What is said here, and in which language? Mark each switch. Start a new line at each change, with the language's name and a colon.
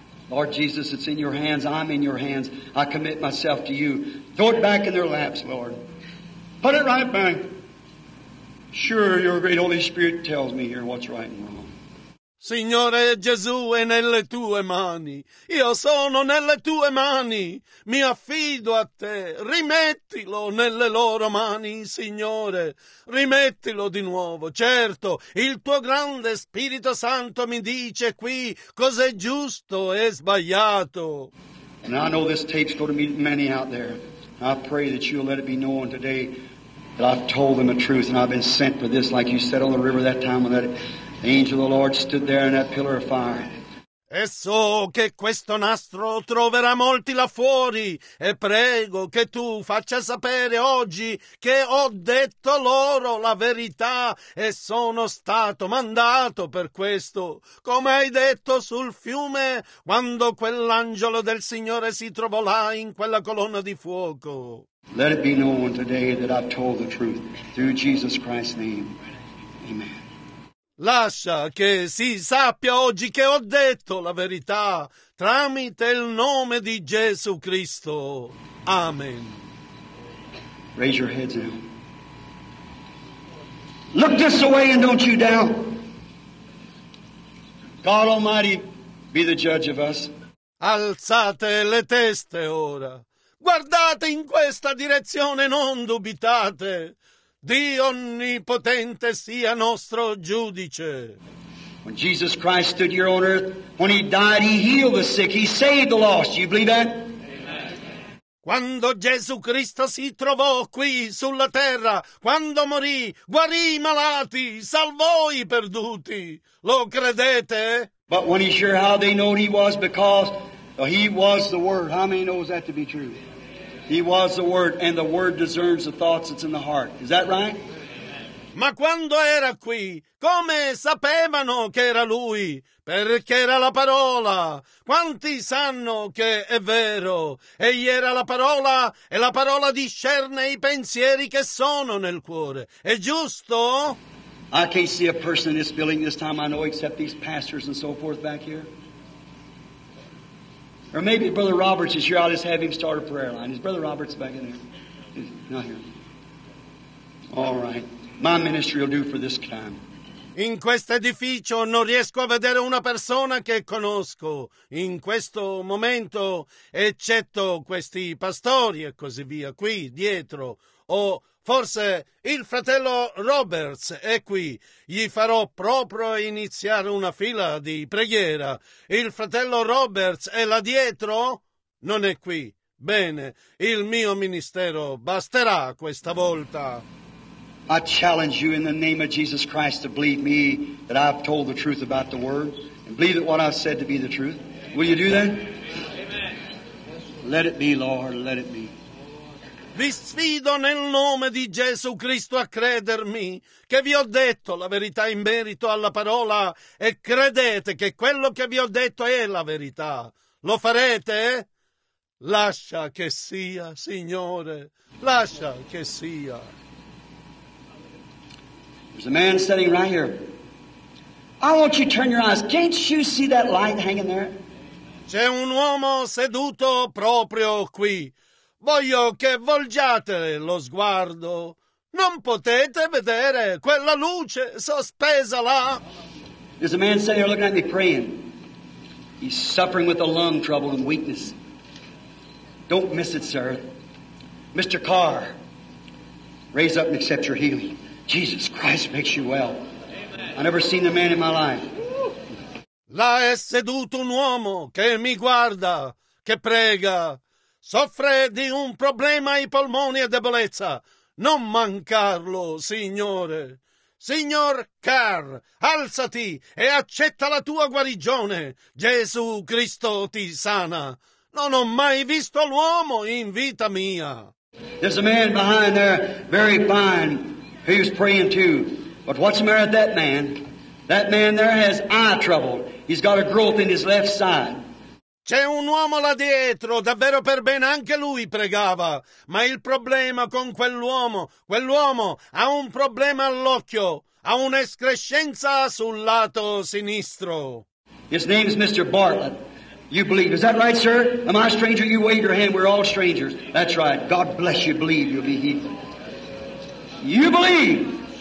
English: Lord Jesus, it's in your hands, I'm in your hands, I commit myself to you. Throw it back in their laps, Lord. Put it right back. Sure, your great Holy Spirit tells me here what's right and wrong.
Italian: Signore Gesù, è nelle tue mani. Io sono nelle tue mani. Mi affido a te. Rimettilo nelle loro mani, Signore. Rimettilo di nuovo. Certo, il tuo grande Spirito Santo mi dice qui cos'è giusto e sbagliato.
English: And I know this tape's going to meet many out there. I pray that you'll let it be known today that I've told them the truth and I've been sent for this, like you said on the river that time when that angel of the Lord stood there in that pillar of fire.
Italian: E so che questo nastro troverà molti là fuori e prego che tu faccia sapere oggi che ho detto loro la verità e sono stato mandato per questo. Come hai detto sul fiume quando quell'angelo del Signore si trovò là in quella colonna di fuoco.
English: Let it be known today that I've told the truth through Jesus Christ's name. Amen.
Italian: Lascia che si sappia oggi che ho detto la verità tramite il nome di Gesù Cristo. Amen.
English: Raise your heads now. Look this away and don't you doubt. God Almighty be the judge of us.
Italian: Alzate le teste ora. Guardate in questa direzione, non dubitate. Dio onnipotente sia nostro giudice.
English: When Jesus Christ stood here on earth, when he died, he healed the sick, he saved the lost. You believe that? Amen.
Italian: Quando Gesù Cristo si trovò qui sulla terra, quando morì, guarì i malati, salvò i perduti. Lo credete?
English: But when he's here, how they know he was? Because he was the Word. How many knows that to be true? He was the Word, and the Word discerns the thoughts that's in the heart. Is that right?
Italian: Ma quando era qui, come sapevano che era Lui? Perché era la parola. Quanti sanno che è vero? Egli era la parola, e la parola discerne i pensieri che sono nel cuore. È giusto?
English: I can't see a person in this building this time I know except these pastors and so forth back here. Or maybe Brother Roberts is here. I'll just have him start a prayer line. Is Brother Roberts back in there? He's not here. All right. My ministry will do for this time.
Italian: In questo edificio non riesco a vedere una persona che conosco in questo momento, eccetto questi pastori e così via, qui dietro. O forse il fratello Roberts è qui. Gli farò proprio iniziare una fila di preghiera. Il fratello Roberts è là dietro? Non è qui. Bene, il mio ministero basterà questa volta.
English: I challenge you in the name of Jesus Christ to believe me that I've told the truth about the Word and believe that what I've said to be the truth. Will you do that? Amen. Let it be, Lord, let it be.
Italian: Vi sfido nel nome di Gesù Cristo a credermi che vi ho detto la verità in merito alla parola e credete che quello che vi ho detto è la verità. Lo farete? Lascia che sia, Signore. Lascia che sia.
English: There's a man sitting right here. I want you to turn your eyes. Can't you see that light hanging there?
Italian: C'è un uomo seduto proprio qui. Voglio che volgiate lo sguardo. Non potete vedere quella luce sospesa là?
English: There's a man sitting here looking at me praying. He's suffering with a lung trouble and weakness. Don't miss it, sir. Mr. Carr, raise up and accept your healing. Jesus Christ makes you well. Amen. I've never seen a man in my life.
Italian: Là è seduto un uomo che mi guarda, che prega. Soffre di un problema ai polmoni e debolezza. Non mancarlo, Signore. Signor Carr, alzati e accetta la tua guarigione. Gesù Cristo ti sana. Non ho mai visto l'uomo in vita mia.
English: There's a man behind there, very fine. He was praying too. But what's the matter with that man? That man there has eye trouble. He's got a growth in his left side.
Italian: C'è un uomo là dietro, davvero per bene, anche lui pregava. Ma il problema con quell'uomo ha un problema all'occhio. Ha un'escrescenza sul lato sinistro.
English: His name is Mr. Bartlett. You believe. Is that right, sir? Am I a stranger? You wave your hand. We're all strangers. That's right. God bless you. Believe. You'll be healed. You believe.